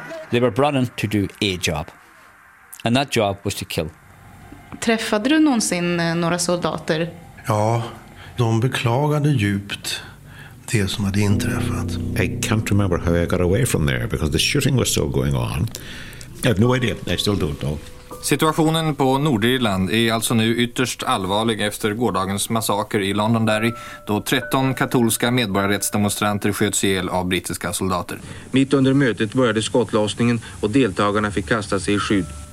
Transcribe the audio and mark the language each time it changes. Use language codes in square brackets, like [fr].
[en] They were brought in to do a job. And that job was to kill. [sv] Träffade du någonsin några soldater? Ja, de beklagade djupt det som hade inträffat. [en] I can't remember how I got away from there because the shooting was still going on. I have no idea. I still don't know. [sv] Situationen på Nordirland är alltså nu ytterst allvarlig efter gårdagens massaker i Londonderry då 13 katolska medborgarrättsdemonstranter sköts ihjäl av brittiska soldater. Mitt under mötet började skottlossningen och deltagarna fick kasta sig i skydd.